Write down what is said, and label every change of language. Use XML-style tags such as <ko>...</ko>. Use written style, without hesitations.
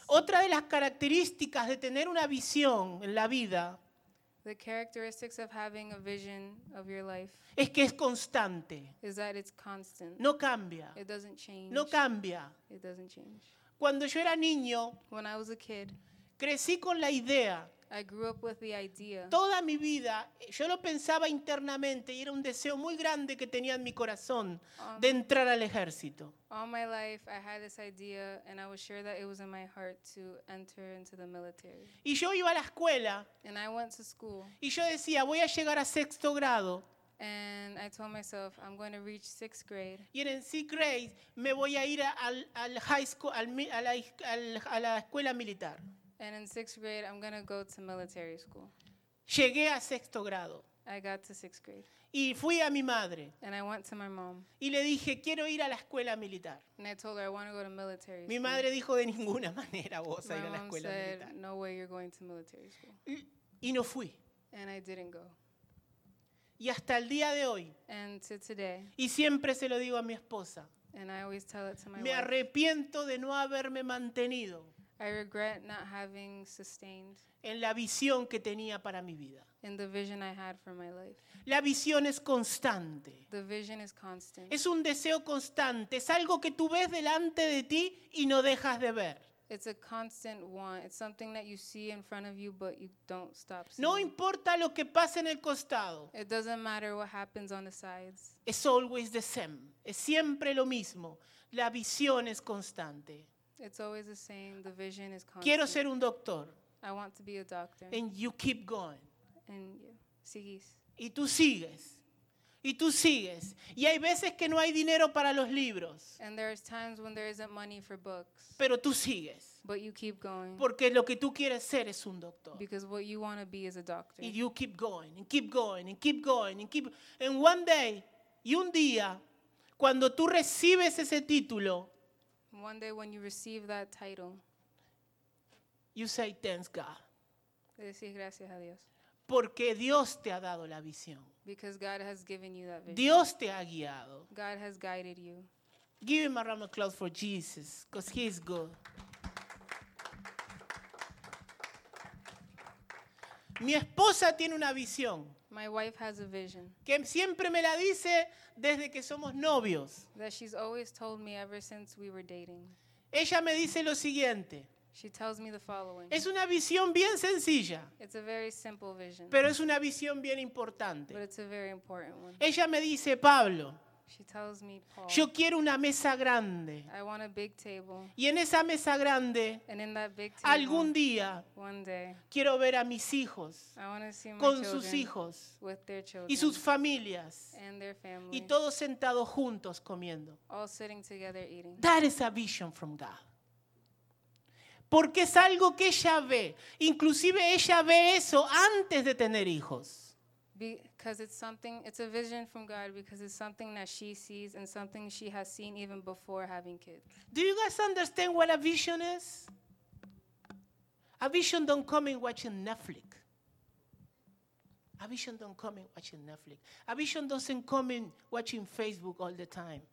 <es>Otra de las características de tener una visión en la vida</es> <en>The characteristics of having a vision of your life</en> <es>es que es constante.</es> <en>Is that it's constant.</en> <es>No cambia.</es> <en>It doesn't change.</en> <es>No cambia.</es> <en>It doesn't change.</en> <es>Cuando yo era niño,</es> <en>When I was a kid,</en> <es>crecí con la idea.</es> <en>I grew up with the idea.</en> <es>Toda mi vida, yo lo pensaba internamente y era un deseo muy grande que tenía en mi corazón de entrar al ejército.</es> <en>All my life, I had this idea, and I was sure that it was in my heart to enter into the military.</en> <es>Y yo iba a la escuela.</es> <en>And I went to school.</en> <es>Y yo decía, voy a llegar a sexto grado.</es> <en>And I told myself I'm going to reach sixth grade.</en> <es>Y en</es> <en>sixth grade</en> <es>me voy a ir al</es> <en>high school</en> <es>a la escuela militar.</es> <en>And in sixth grade I'm going to go to military school.</en> <es>Llegué a sexto grado.</es> <en>I got to sixth grade.</en> <es>Y fui a mi madre.</es> <en>And I went to my mom.</en> <es>Y le dije quiero ir a la escuela militar.</es> <en>And I told her I want to go to military</en> <es>school. Mi madre dijo de ninguna manera vos a ir a la escuela militar.</es> <en>My mom said no way you're going to military school.</en> <es>Y no fui.</es> <en>And I didn't go.</en> <es>Y hasta el día de hoy,</es> <en>And to today,</en> <es>y siempre se lo digo a mi esposa,</es> <en>And I always tell it to my</en> <es>me</es> <en>wife.</en> <es>Arrepiento de no haberme mantenido</es> <en>I regret not having sustained</en> <es>en la visión que tenía para mi vida.</es> <en>In the vision I had for my life.</en> <es>La visión es constante.</es> <en>The vision is constant.</en> <es>Es un deseo constante. Es algo que tú ves delante de ti y no dejas de ver.</es> <en>It's a constant want. It's something that you see in front of you, but you don't stop seeing.</en> <es>No importa lo que pase en el costado.</es> <en>It doesn't matter what happens on the sides. It's always the same.</en> <es>Es siempre lo mismo. La visión es constante.</es> <en>It's always the same. The vision is constant.</en> <es>Quiero ser un doctor.</es> <en>I want to be a doctor. And you keep going. And you sigues.</en> <es>Y tú sigues. Y tú sigues. Y hay veces que no hay dinero para los libros.</es> <en>And there's times when there isn't money for books.</en> <es>Pero tú sigues.</es> <en>But you keep going.</en> <es>Porque lo que tú quieres ser es un doctor.</es> <en>Because what you want to be is a doctor. And you keep going, and keep going, and keep going, and keep. And one day,</en> <es>y un día, cuando tú recibes ese título,</es> <en>one day when you receive that title, you say thanks God.</en> <es>Le decís gracias a Dios. Porque Dios te ha dado la visión.</es> <en>Because God has given you that vision.</en> <es>Dios te ha guiado.</es> <en>God has guided you. Give him a round of applause for Jesus, because he is good.</en> <es>Mi esposa tiene una visión.</es> <en>My wife has a vision.</en> <es>Que siempre me la dice desde que somos novios.</es> <en>That she's always told me ever since we were dating.</en> <es>Ella me dice lo siguiente.</es> <en>She tells me the following.</en> <es>Es una visión bien sencilla.</es> <en>It's a very simple vision.</en> <es>Pero es una visión bien importante.</es> <en>But it's a very important one.</en> <es>Ella me dice, Pablo.</es> <en>She tells me, Paul.</en> <es>Yo quiero una mesa grande.</es> <en>I want a big table.</en> <es>Y en esa mesa grande,</es> <en>And in that big table,</en> <es>algún día,</es> <en>one day,</en> <es>quiero ver a mis hijos.</es> <en>I want to see my</en> <es>con</es> <en>children,</en> <es>sus hijos.</es> <en>With their children,</en> <es>y sus familias.</es> <en>And their families,</en> <es>y todos sentados juntos comiendo.</es> <en>All sitting together eating. That is a vision from God.</en> <es>Porque es algo que ella ve. Inclusive ella ve eso antes de tener hijos.</es> <en>Because it's something, it's a vision from God, because it's something that she sees and something she has seen even before having kids. Do you guys understand what a vision is? A vision don't come in watching Netflix. A vision don't come in watching Netflix. A vision doesn't come in watching Facebook all the time.</en>